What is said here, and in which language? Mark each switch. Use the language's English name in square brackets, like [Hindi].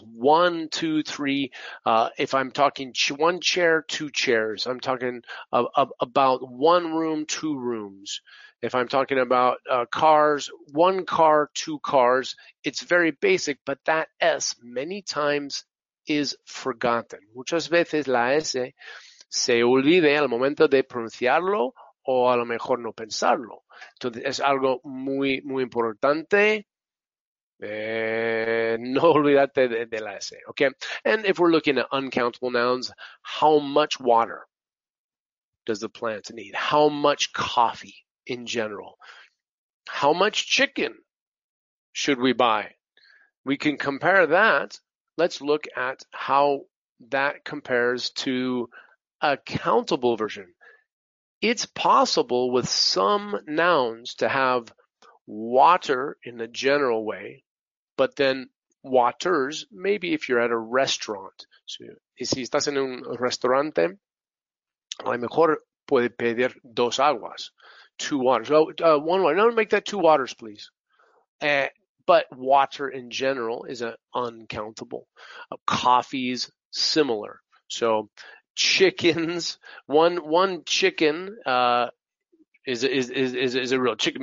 [English] One, two, three. If I'm talking one chair, two chairs. I'm talking about one room, two rooms. If I'm talking about cars, one car, two cars, it's very basic, but that S many times is forgotten. [Spanish] Muchas veces la S se olvida al momento de pronunciarlo o a lo mejor no pensarlo. Entonces, es algo muy, muy importante. No olvidarte de la S, okay? [English] And if we're looking at uncountable nouns, how much water does the plant need? How much coffee? In general, how much chicken should we buy? We can compare that. Let's look at how that compares to a countable version. It's possible with some nouns to have water in a general way, but then waters, maybe if you're at a restaurant. [Spanish] So, si estás en un restaurante, a lo mejor puede pedir dos aguas. [English] Two waters. Oh, one water. No, make that two waters, please. But water in general is an uncountable. Coffee's similar. So chickens. One chicken is a real chicken.